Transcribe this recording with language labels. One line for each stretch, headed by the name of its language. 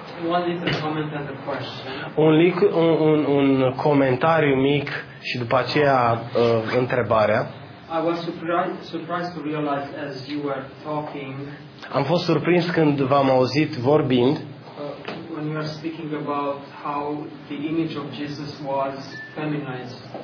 English: One little comment and a question.
Romanian: Un comentariu mic și după aceea întrebarea.
English: I was surprised to realize as you were talking.
Romanian: Am fost surprins când v-am auzit vorbind.
English: When you are speaking about how the image of Jesus was feminized.